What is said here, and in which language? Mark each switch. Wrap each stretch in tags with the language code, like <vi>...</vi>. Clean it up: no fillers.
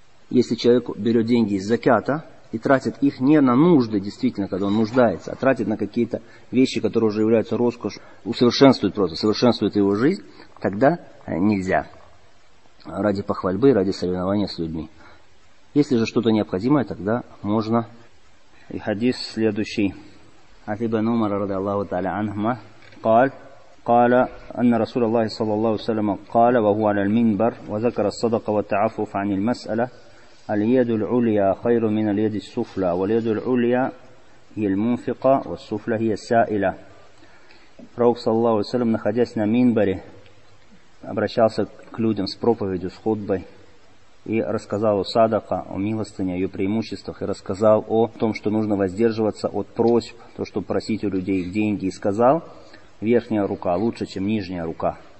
<ru>Если человек берет деньги из закята и тратит их не на нужды, действительно, когда он нуждается, а тратит на какие-то вещи, которые уже являются роскошью, усовершенствует просто, совершенствует его жизнь, тогда нельзя. Ради похвальбы, ради соревнования с людьми. Если же что-то необходимое, тогда можно. И хадис следующий. От Ибн Умара,</ru> <ar>ради Аллаху Та'аля, анхма, قال أن رسول الله صلى الله عليه وسلم قال وهو على المنبر وذكر الصدق والتعفف عن المسألة اليد العليا خير من اليد السفلى واليد العليا هي المنفقة والسفلى هي السائلة.</ar> <ru>Пророк صلى الله عليه وسلم, находясь на минбаре, обращался к людям с проповедью, с хутбой и рассказал о садака, о милостыне, о ее преимуществах, и рассказал о том, что нужно воздерживаться от просьб, то, чтобы просить у людей деньги, и сказал: верхняя рука лучше, чем нижняя рука.</ru>